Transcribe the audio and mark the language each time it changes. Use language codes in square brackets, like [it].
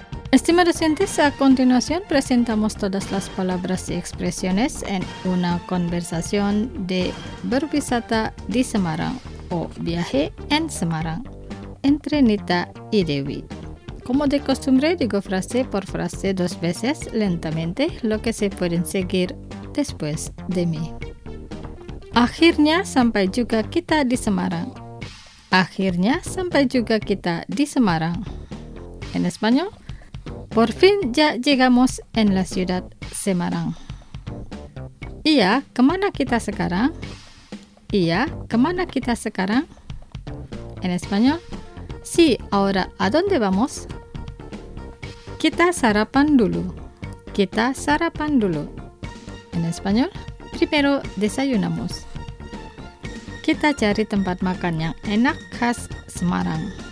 [es] Estimados oyentes, a continuación presentamos todas las palabras y expresiones en una conversación de [id] Berwisata di Semarang [es] o viaje en Semarang entre Nita y Dewi. Como de costumbre, digo frase por frase dos veces lentamente lo que se pueden seguir después de mí. [id] Akhirnya sampai juga kita di Semarang. Akhirnya sampai juga kita di Semarang. [es] En español, por fin ya llegamos en la ciudad Semarang. [id] Iya, kemana kita sekarang? Iya, kemana kita sekarang? [es] En español, sí, ahora ¿a dónde vamos? [id] Kita sarapan dulu. Kita sarapan dulu. [es] En español, primero desayunamos. [id] Kita cari tempat makan yang enak khas Semarang.